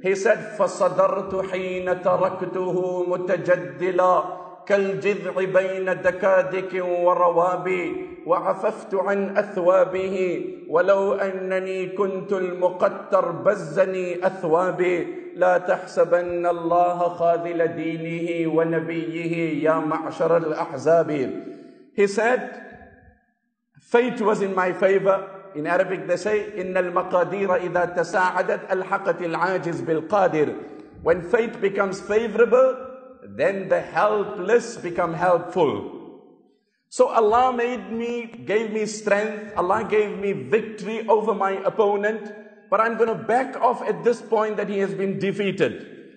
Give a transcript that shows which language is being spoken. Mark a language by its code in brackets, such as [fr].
[en] He said, [ar] فَصَدَرْتُ حِينَ تَرَكْتُهُ مُتَجَدِّلًا كَالْجِذْعِ بَيْنَ دَكَادِكٍ وَرَوَابِي وَعَفَفْتُ عَنْ أَثْوَابِهِ وَلَوْ أَنَّنِي كُنْتُ الْمُقَتَّرْ بَزَّنِي أَثْوَابِي لَا تَحْسَبَنَّ اللَّهَ خَاذِلَ دِينِهِ وَنَبِيِّهِ يَا مَعْشَرَ الْأَحْزَابِ. [en] He said, fate was in my favor. In Arabic they say, [ar] إِنَّ الْمَقَادِيرَ إِذَا تَسَاعَدَتْ أَلْحَقَتِ الْعَاجِزِ بِالْقَادِرِ. [en] When fate becomes favorable, then the helpless become helpful. So Allah gave me strength, Allah gave me victory over my opponent, but I'm going to back off at this point that he has been defeated.